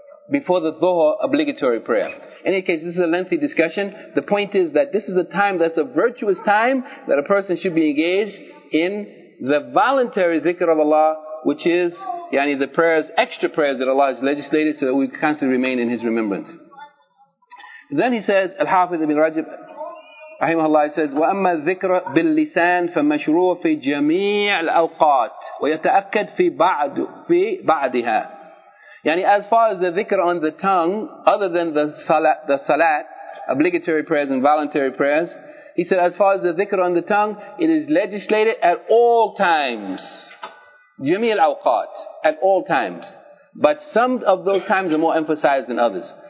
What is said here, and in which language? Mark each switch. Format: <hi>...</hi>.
<en>Before the dhuhr obligatory prayer. In any case, this is a lengthy discussion. The point is that this is a time that's a virtuous time that a person should be engaged in the voluntary dhikr of Allah, which is yani the prayers, extra prayers that Allah has legislated so that we constantly remain in His remembrance. Then he says, Al-Hafidh ibn Rajab, rahimahullah, he says,</en> <ar>وَأَمَّا الذِّكْرَ بِاللِّسَانِ فَمَشْرُوعٌ فِي جَمِيعِ الْأَوْقَاتِ وَيَتَأَكَّدْ فِي بَعْدِهَا.</ar> <en>Yani as far as the dhikr on the tongue, other than the salat, obligatory prayers and voluntary prayers, he said, as far as the dhikr on the tongue, it is legislated at all times.</en> <ar>جَمِيعِ الْأَوْقَاتِ,</ar> <en>at all times. But some of those times are more emphasized than others.</en>